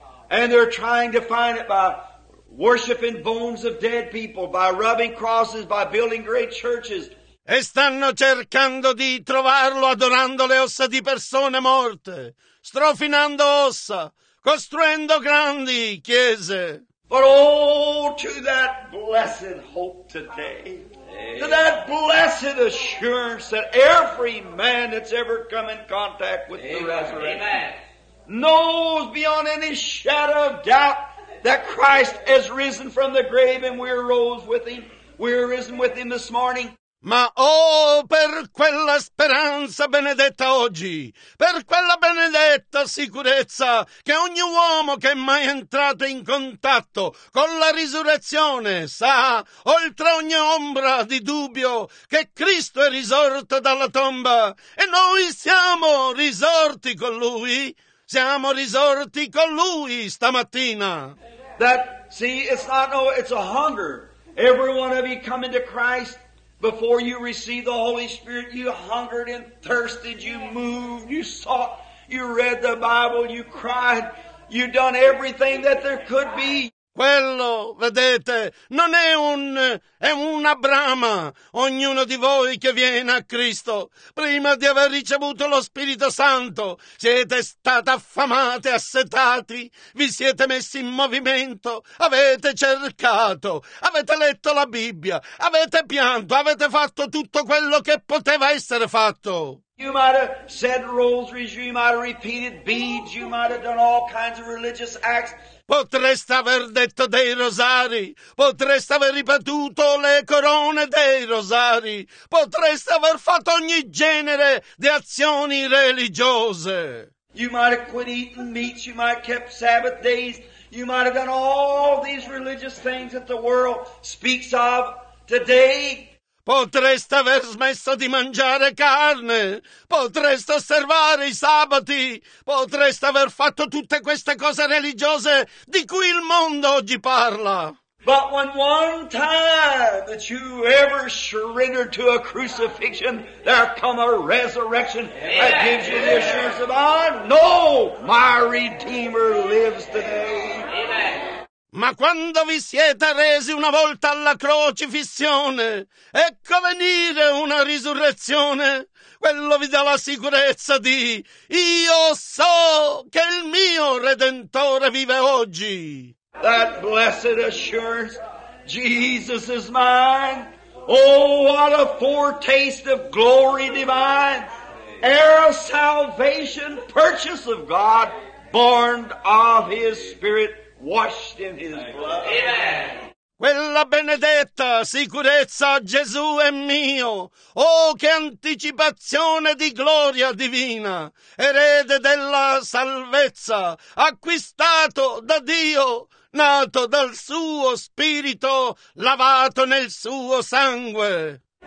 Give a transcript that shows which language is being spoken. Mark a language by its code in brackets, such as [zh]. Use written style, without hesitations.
[en] And they're trying to find it by worshiping bones of dead people, by rubbing crosses, by building great churches. [it] E stanno cercando di trovarlo adorando le ossa di persone morte, strofinando ossa, costruendo grandi chiese. [en] But oh, to that blessed hope today, to that blessed assurance that every man that's ever come in contact with Amen. The resurrection Amen. Knows beyond any shadow of doubt that Christ has risen from the grave and we're rose with him. We're risen with him this morning. [it] Ma oh, per quella speranza benedetta oggi, per quella benedetta sicurezza che ogni uomo che è mai entrato in contatto con la risurrezione sa, oltre ogni ombra di dubbio, che Cristo è risorto dalla tomba e noi siamo risorti con Lui. Siamo risorti con Lui stamattina. [en] That, see, it's not, no, it's a hunger. Every one of you coming to Christ, before you receive the Holy Spirit, you hungered and thirsted, you moved, you sought, you read the Bible, you cried, you done everything that there could be. [it] Quello, vedete, non è un, è una brama. Ognuno di voi che viene a Cristo, prima di aver ricevuto lo Spirito Santo, siete stati affamati, assetati, vi siete messi in movimento, avete cercato, avete letto la Bibbia, avete pianto, avete fatto tutto quello che poteva essere fatto. [en] You might have said rosaries, you might have repeated beads, you might have done all kinds of religious acts. [it] Potreste aver detto dei rosari, potreste aver ripetuto le corone dei rosari, potreste aver fatto ogni genere di azioni religiose. [en] You might have quit eating meats, you might have kept Sabbath days, you might have done all these religious things that the world speaks of today. [it] Potreste aver smesso di mangiare carne, potreste osservare i sabati, potreste aver fatto tutte queste cose religiose di cui il mondo oggi parla. [en] But when one time that you ever surrendered to a crucifixion, there come a resurrection that gives you the assurance of, I know my Redeemer lives today. [it] Ma quando vi siete resi una volta alla crocifissione, ecco venire una risurrezione. Quello vi dà la sicurezza di, io so che il mio Redentore vive oggi. [en] That blessed assurance, Jesus is mine. Oh, what a foretaste of glory divine. Heir of salvation, purchase of God, born of his Spirit. Washed in his blood. Amen. [it] Quella benedetta sicurezza, Gesù è mio. Oh, che anticipazione di gloria divina, erede della salvezza, acquistato da Dio, nato dal suo spirito, lavato nel suo sangue.